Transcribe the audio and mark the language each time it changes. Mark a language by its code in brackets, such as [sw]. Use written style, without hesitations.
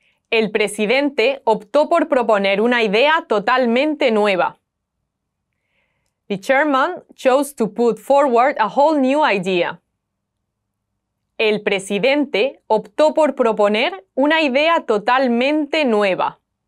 [es] El presidente optó por proponer una idea totalmente nueva. [en] The chairman chose to put forward a whole new idea. [es] El presidente optó por proponer una idea totalmente nueva.